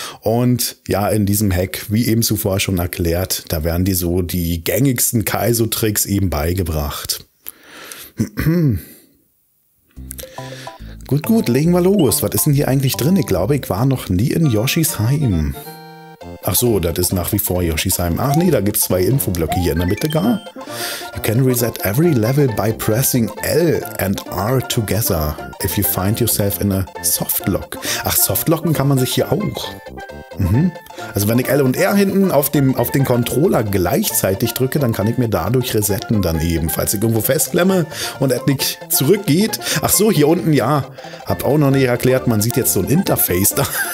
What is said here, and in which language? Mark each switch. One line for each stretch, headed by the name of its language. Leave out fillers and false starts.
German: Und ja, in diesem Hack, wie eben zuvor schon erklärt, da werden dir so die gängigsten Kaizo Tricks eben beigebracht. Gut, legen wir los. Was ist denn hier eigentlich drin? Ich glaube, ich war noch nie in Yoshis Heim. Ach so, das ist nach wie vor Yoshis Heim. Ach nee, da gibt's zwei Infoblöcke hier in der Mitte gar.
English: You can reset every level by pressing L and R together if you find yourself in a softlock.
German: Ach, softlocken kann man sich hier auch. Mhm. Also wenn ich L und R hinten auf den Controller gleichzeitig drücke, dann kann ich mir dadurch resetten dann eben, falls ich irgendwo festklemme und er nicht zurückgeht. Ach so, hier unten, ja, hab auch noch nicht erklärt, man sieht jetzt so ein Interface da.